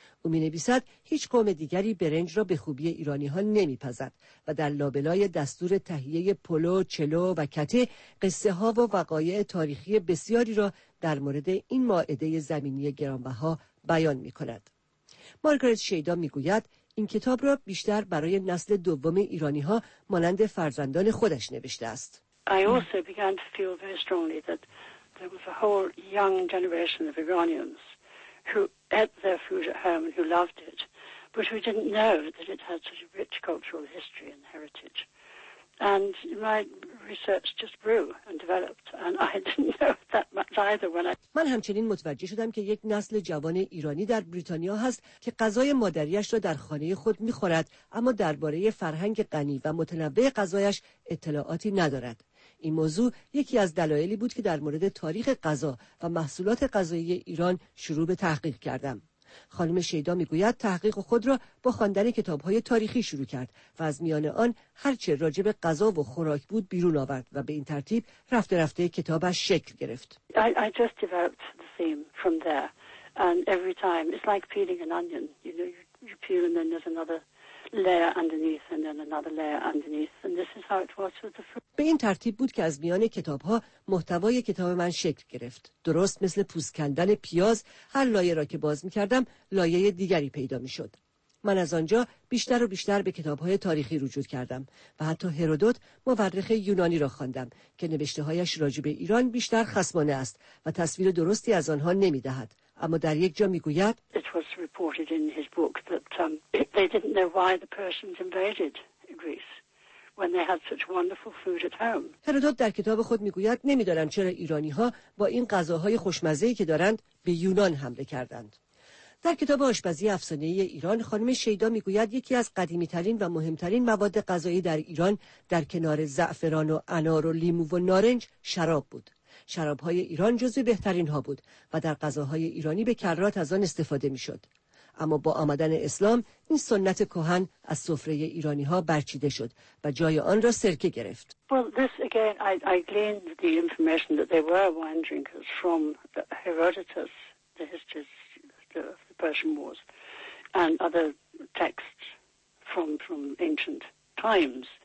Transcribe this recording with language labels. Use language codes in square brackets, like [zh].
[fa] او می‌نویسد هیچ قوم دیگری برنج را به خوبی ایرانی‌ها نمی‌پزد و در لابلای دستور تهیه پلو، چلو و کته قصه‌ها و وقایع تاریخی بسیاری را در مورد این مائده زمینی گرانبها بیان می‌کند. مارگارت شیدا می‌گوید این کتاب را بیشتر برای نسل دوم ایرانی‌ها مانند فرزندان خودش نوشته است. [en] I also began to feel very strongly that there was a whole young generation of Iranians who ate their food at home and who loved it, but who didn't know that it had such a rich cultural history and heritage. And my research just grew and developed, and I didn't know that much either when I. [fa] من همچنین متوجه شدم که یک نسل جوان ایرانی در بریتانیا هست که غذای مادریش را در خانه خود می‌خورد، اما درباره فرهنگ غنی و متنوع غذایش اطلاعاتی ندارد. این موضوع یکی از دلایلی بود که در مورد تاریخ غذا و محصولات غذایی ایران شروع به تحقیق کردم. خانم شیدا میگوید تحقیق خود را با خواندن کتاب‌های تاریخی شروع کرد و از میان آن هرچه راجع به غذا و خوراک بود بیرون آورد و به این ترتیب رفته رفته کتابش شکل گرفت. [en] I just developed the theme from there, and every time it's like peeling an onion. You know, you peel and then there's another layer underneath and then another layer underneath, and this is how it was with the fruit. [fa] به این ترتیب بود که از میان کتاب‌ها محتوای کتاب من شکل گرفت. درست مثل پوست کندن پیاز، هر لایه را که باز می‌کردم، لایه دیگری پیدا می‌شد. من از آنجا بیشتر و بیشتر به کتاب‌های تاریخی رجوع کردم و حتی هرودوت مورخ یونانی را خواندم که نوشته‌هایش راجع به ایران بیشتر خصمانه است و تصویر درستی از آنها نمی‌دهد. اما در یک جا می‌گوید [en] It was reported in his book that they didn't know why the Persians invaded Greece when they had such wonderful food at home. [fa] هرودوت در کتاب خود میگوید نمیدانم چرا ایرانی ها با این غذاهای خوشمزه‌ای که دارند به یونان حمله کردند. در کتاب آشپزی افسانه‌ای ایران خانم شیدا میگوید یکی از قدیمی ترین و مهمترین مواد غذایی در ایران در کنار زعفران و انار و لیمو و نارنج شراب بود. شراب های ایران جزو بهترین ها بود و در غذاهای ایرانی به کرات از آن استفاده میشد. اما با آمدن اسلام این سنت کهن از سفره ایرانی ها برچیده شد و جای آن را سرکه گرفت. [en] Well, this again, I gleaned the information that they were wine drinkers from Herodotus, the history of the Persian Wars and other texts from ancient times.